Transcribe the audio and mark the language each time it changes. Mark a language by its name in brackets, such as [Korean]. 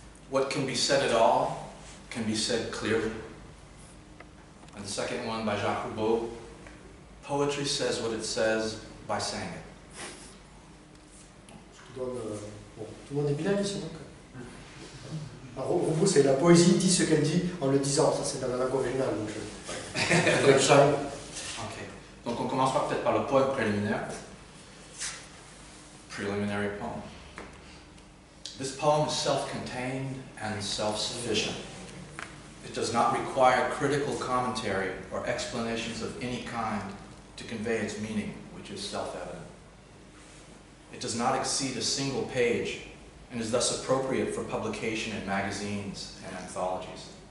[English] What can be said at all can be said clearly. And the second one by Jacques Roubaud. Poetry says what it says by saying it. [French] Tout le monde est bilingue ici, donc. Alors, Roubaud, c'est la poésie dit ce qu'elle dit en le disant. Ça, c'est dans la langue originale. Okay. Donc on commence peut-être par le poème préliminaire. [English] Preliminary poem. This poem is self-contained and self-sufficient. It does not require critical commentary or explanations of any kind to convey its meaning, which is self-evident. It does not exceed a single page and is thus appropriate for publication in magazines and anthologies.